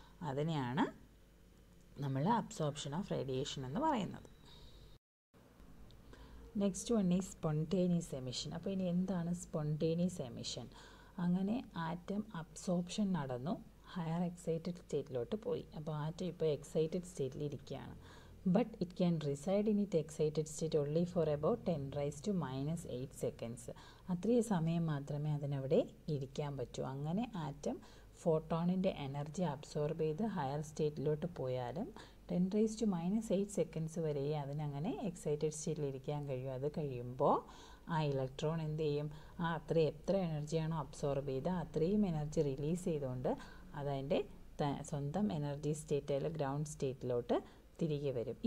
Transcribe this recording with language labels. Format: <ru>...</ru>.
<ml>അതിനെയാണ് നമ്മൾ absorption of radiation എന്ന് പറയുന്നത്.</ml> <en>Next one is spontaneous emission.</en> <ml>അപ്പോൾ ഇനി എന്താണ് സ്പോണ്ടേനിയസ് എമിഷൻ? അങ്ങനെ ആറ്റം അബ്സോർപ്ഷൻ നടന്നു, ഹയർ എക്സൈറ്റഡ് സ്റ്റേറ്റിലോട്ട് പോയി. അപ്പോൾ ആറ്റം ഇപ്പോൾ excited സ്റ്റേറ്റിലിരിക്കുകയാണ്.</ml> <en>but it can reside in its excited state only for about 10 raised to minus 8 seconds.</en> <ml>അത്രയേ സമയം മാത്രമേ അതിനവിടെ ഇരിക്കാൻ പറ്റൂ. അങ്ങനെ ആറ്റം ഫോട്ടോണിൻ്റെ എനർജി അബ്സോർബ് ചെയ്ത് ഹയർ സ്റ്റേറ്റിലോട്ട് പോയാലും 10⁻⁸ സെക്കൻഡ്സ് വരെയേ അതിനങ്ങനെ എക്സൈറ്റഡ് സ്റ്റേറ്റിൽ ഇരിക്കാൻ കഴിയൂ. അത് കഴിയുമ്പോൾ ആ ഇലക്ട്രോൺ എന്ത് ചെയ്യും, ആ അത്ര എത്ര എനർജിയാണോ അബ്സോർബ് ചെയ്ത് അത്രയും എനർജി റിലീസ് ചെയ്തുകൊണ്ട് അതതിൻ്റെ സ്വന്തം എനർജി സ്റ്റേറ്റ് അല്ലെങ്കിൽ ഗ്രൗണ്ട് സ്റ്റേറ്റിലോട്ട് തിരികെ വരും.</ml>